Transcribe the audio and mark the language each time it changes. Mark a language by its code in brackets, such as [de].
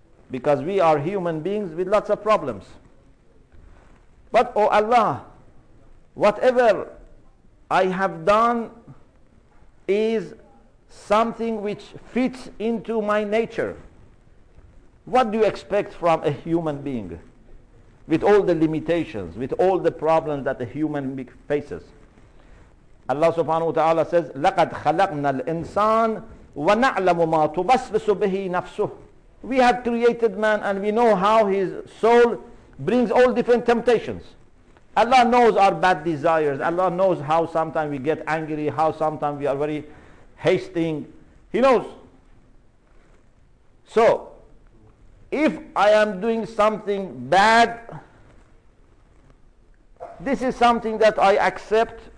[en] Because we are human beings with lots of problems. But, O Allah, whatever I have done is something which fits into my nature. What do you expect from a human being with all the limitations, with all the problems that a human being faces? [ar] Allah subhanahu wa ta'ala [en] says, [ar] لَقَدْ خَلَقْنَا الْإِنسَانَ وَنَعْلَمُ مَا تُوَسْوِسُ بِهِ نَفْسُهُ. [en] We have created man and we know how his soul brings all different temptations. Allah knows our bad desires. Allah knows how sometimes we get angry, how sometimes we are very hasty. He knows. So, if I am doing something bad, this is something that I accept.